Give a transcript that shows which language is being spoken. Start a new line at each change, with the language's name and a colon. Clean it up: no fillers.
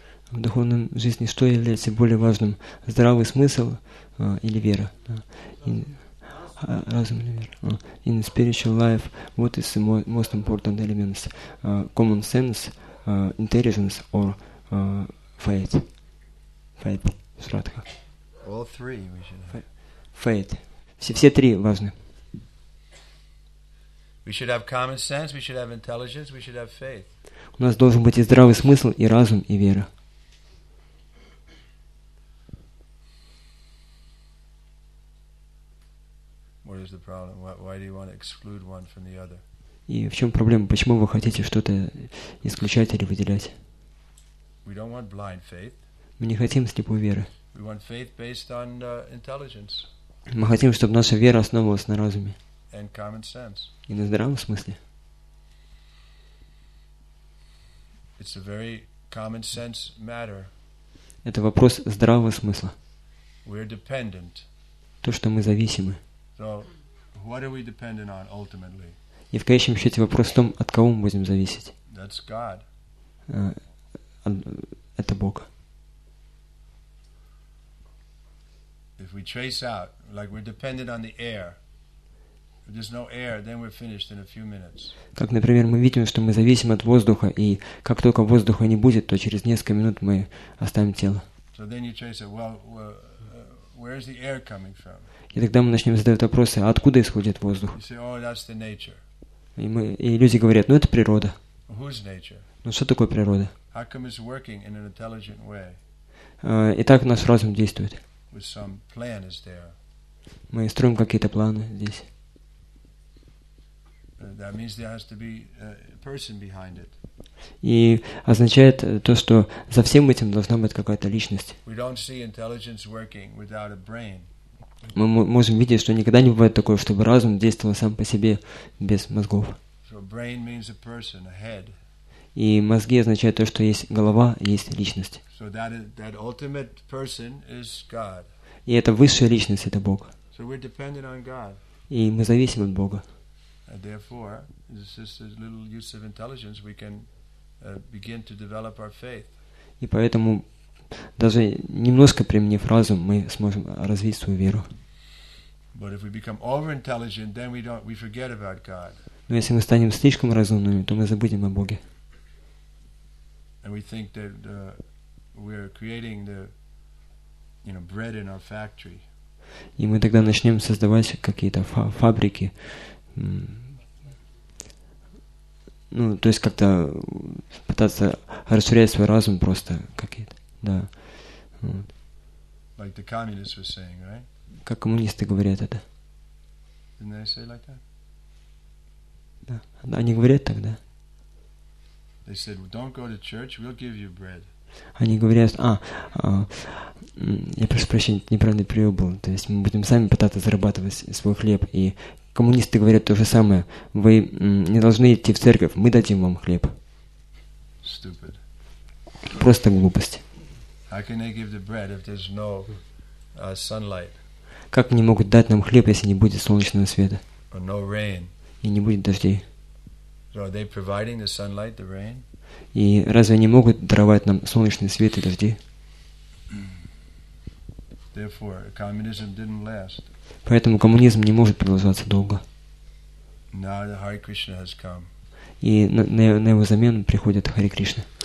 Russian: В духовной жизни что является более важным? Здравый смысл или вера? Разум. разум или вера.
English: In spiritual life, what is the most important elements? Common sense, intelligence or faith? Faith, Shraddha. All three we should have. Faith.
Russian: Все три важны.
English: We should have common sense, we should have intelligence, we should have faith.
Russian: У нас должен быть и здравый смысл, и разум, и вера.
English: What is the problem? Why do you want to exclude one from the other?
Russian: И в чем проблема? Почему вы хотите что-то исключать или выделять?
English: We don't want blind faith.
Russian: Мы не хотим слепой веры.
English: We want faith based on intelligence.
Russian: Мы хотим, чтобы наша вера основывалась на разуме.
English: And common sense.
Russian: И на здравом смысле.
English: It's a very common sense matter.
Russian: Это вопрос здравого смысла.
English: We're dependent.
Russian: То, что мы зависимы.
English: So, what are we dependent on ultimately?
Russian: И в конечном счете вопрос в том, от кого мы будем зависеть.
English: That's God.
Russian: Это Бог.
English: If we trace out, like we're dependent on the air. If there's no air, then we're finished in a few minutes.
Russian: Как, например, мы видим, что мы зависим от воздуха, и как только воздуха не будет, то через несколько минут мы оставим тело.
English: So then you trace it. Well, where is the air coming from?
Russian: И тогда мы начнем задавать вопросы, а откуда исходит воздух?
English: You say, oh, that's the nature.
Russian: И люди говорят, ну это природа.
English: Who's nature?
Russian: Ну что такое природа?
English: How come it's working in an intelligent way?
Russian: И так наш разум действует.
English: With some plan is there.
Russian: Мы строим какие-то планы здесь.
English: That means there has to be a person behind it.
Russian: И означает то, что за всем этим должна быть какая-то личность.
English: We don't see intelligence working without a brain.
Russian: Мы можем видеть, что никогда не бывает такое, чтобы разум действовал сам по себе без мозгов.
English: So brain means a person, a head.
Russian: И мозги означают то, что есть голова, есть личность.
English: So that ultimate person is God.
Russian: И это высшая личность, это Бог.
English: So we're dependent on God.
Russian: И мы зависим от Бога.
English: And therefore, this is a little use of intelligence. We can begin to develop our faith.
Russian: И поэтому даже немножко применив разум, мы сможем развить свою веру.
English: But if we become over-intelligent, then we forget about God.
Russian: Но если мы станем слишком разумными, то мы забудем о Боге.
English: And we think that we're creating the, you know, bread in our factory.
Russian: И мы тогда начнем создавать какие-то фабрики. Ну, то есть как-то пытаться расширять свой разум просто какие-то, да.
English: Like the communists were saying, right?
Russian: Как коммунисты говорят это.
English: Didn't they say like that?
Russian: Да. Да, они говорят так, да.
English: They said, well, don't go to church, we'll give you bread.
Russian: Они говорят, я прошу прощения, неправильный перевод был. То есть мы будем сами пытаться зарабатывать свой хлеб. И коммунисты говорят то же самое. Вы не должны идти в церковь, мы дадим вам хлеб.
English: Stupid.
Russian: Просто глупость.
English: How can they give the bread if there's no sunlight?
Russian: Как они могут дать нам хлеб, если не будет солнечного света?
English: Or no rain.
Russian: И не будет дождей.
English: So are they providing the sunlight, the rain?
Russian: И разве они могут даровать нам солнечный свет и дожди?
English: Therefore, communism didn't last.
Russian: Поэтому коммунизм не может продолжаться долго.
English: Now the Hare Krishna has come.
Russian: И на его замену приходит Харе Кришна.